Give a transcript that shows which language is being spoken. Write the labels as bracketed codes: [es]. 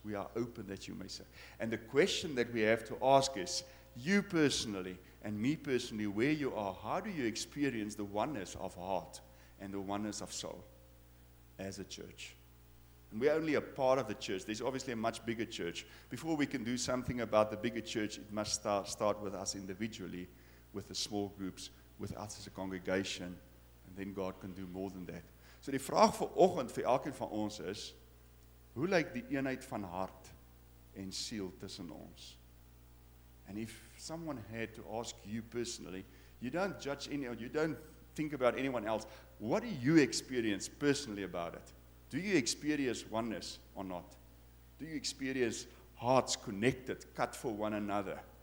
[en] We are open that you may say. And the question that we have to ask is, you personally and me personally, where you are, how do you experience the oneness of heart and the oneness of soul as a church? And we're only a part of the church. There's obviously a much bigger church. Before we can do something about the bigger church, it must start with us individually, with the small groups, with us as a congregation. And then God can do more than that. [af] So die vraag vir oggend vir elkeen van ons is, hoe lyk die eenheid van hart en siel tussen ons? [en] And if someone had to ask you personally, you don't judge anyone, you don't think about anyone else, what do you experience personally about it? Do you experience oneness or not? Do you experience hearts connected, cut for one another?